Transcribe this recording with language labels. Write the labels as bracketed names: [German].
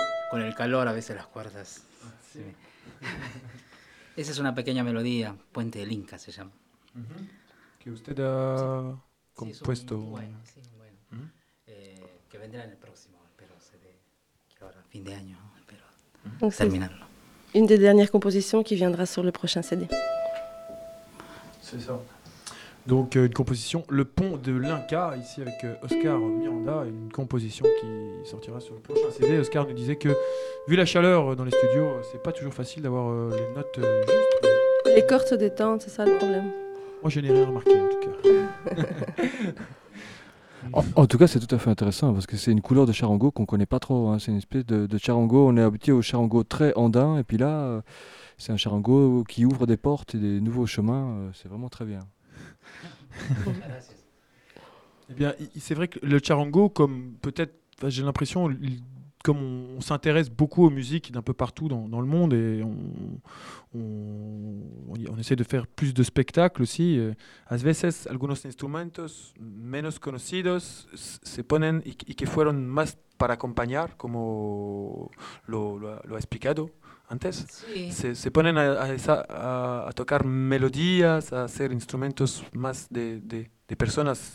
[Spanish] Con el calor a veces las cuerdas. Sí. Sí. Esa es una pequeña melodía, Puente del Inca se llama. Que usted ha compuesto. Sí, bueno, sí, bueno. Que vendrá en el próximo, espero, se dé, que ahora, fin de año, espero terminarlo. [French] Une des dernières compositions qui viendra sur le prochain CD. C'est ça. Donc une composition, Le Pont de l'Inca, ici avec Oscar Miranda, une composition qui sortira sur le prochain CD. Oscar nous disait que, vu la chaleur dans les studios, c'est pas toujours facile d'avoir les notes justes. Les cordes se détendent, c'est ça le problème. Moi je n'ai rien remarqué en tout cas. En tout cas, c'est tout à fait intéressant parce que c'est une couleur de charango qu'on connaît pas trop. Hein. C'est une espèce de charango. On est habitué au charango très andin, et puis là, c'est un charango qui ouvre des portes et des nouveaux chemins. C'est vraiment très bien. Eh bien, c'est vrai que le charango, comme peut-être, j'ai l'impression, comme on s'intéresse beaucoup aux musiques d'un peu partout dans le monde et on essaie de faire plus de spectacles aussi. [Spanish] A veces algunos instrumentos menos conocidos se ponen y que fueron más para acompañar, como lo ha explicado antes. Sí. Se ponen a tocar melodías, a hacer instrumentos más de personas,